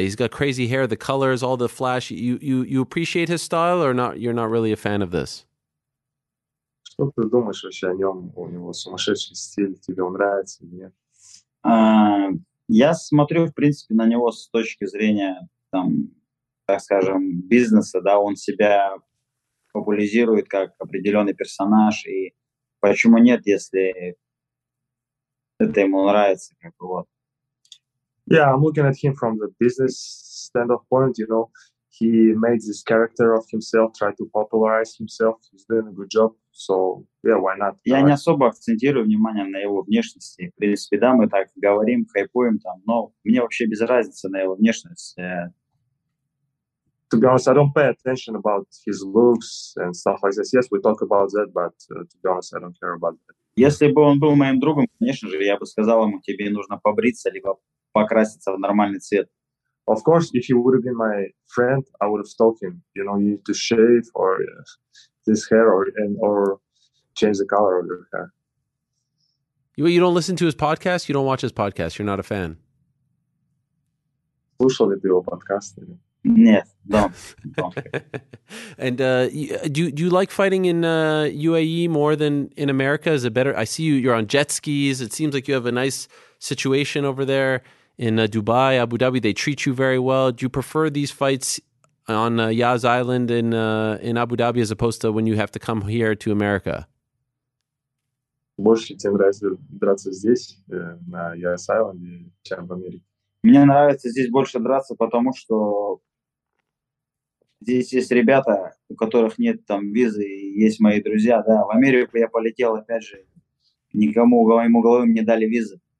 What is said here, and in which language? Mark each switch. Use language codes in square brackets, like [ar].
[en] He's got crazy hair, the colors, all the flash. You appreciate his style or not? You're not really a fan of this? [ru] Что ты думаешь вообще о нем? У него сумасшедший стиль, тебе он нравится или нет? Я смотрю, в принципе, на него с точки зрения, там, так скажем, бизнеса. Да, он себя популяризирует как определенный персонаж. И почему нет, если это ему нравится, как бы вот. [en] Yeah, I'm looking at him from the business standpoint, you know. He made this character of himself, tried to popularize himself. He's doing a good job. So, yeah, why not? [ru] Я не особо акцентирую внимание на его внешности. В принципе, да, мы так говорим, хайпуем там, но мне вообще без разницы на его внешность. [en] To be honest, I don't pay attention about his looks and stuff like this. Yes, we talk about that, but to be honest, I don't care about that. [ru] Если бы он был моим другом, конечно же, я бы сказал ему, тебе нужно побриться, либо покраситься в нормальный цвет. [en] Of course, if he would have been my friend, I would have told him, you know, you need to shave or this hair or change the color of your hair. You don't listen to his podcast? You don't watch his podcast? You're not a fan? [ru] Слушал ли ты его подкасты? Нет, [en] don't. And do you like fighting in UAE more than in America? Is it better? I see you're on jet skis. It seems like you have a nice situation over there. In Dubai, Abu Dhabi, they treat you very well. Do you prefer these fights on Yaz Island in Abu Dhabi as opposed to when you have to come here to America? [ru] Больше тебе нравится драться здесь на Yaz Island, чем в Америке. Мне нравится здесь больше драться, потому что здесь есть ребята, у которых нет там визы, и есть мои друзья. Да, в Америку я полетел, опять же, никому моему головы не дали визы.